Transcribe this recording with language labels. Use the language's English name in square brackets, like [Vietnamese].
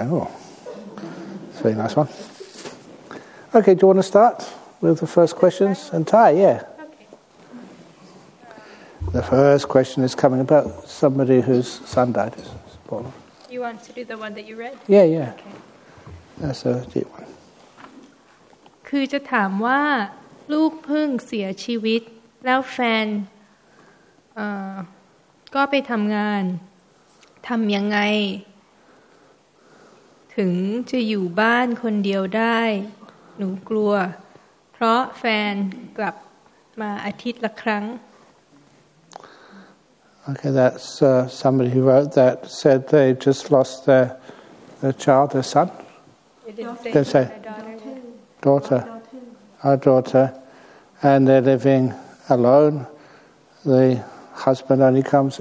[English] Oh, it's a very nice one. Okay. Do you want to start with the first questions? And Ty, yeah. The first question is coming about somebody whose son died. You want to do the one that you read? Yeah, yeah. Okay. That's a deep one. [Thai] คือจะถามว่าลูกเพิ่งเสียชีวิตแล้วแฟนก็ไปทำงานทำยังไงถึงจะอยู่บ้านคนเดียวได้หนูกลัวเพราะแฟนกลับมาอาทิตย์ละครั้ง [English] Okay, that's somebody who wrote that said they just lost their child, their son. They say daughter, our daughter, and they're living alone. The husband only comes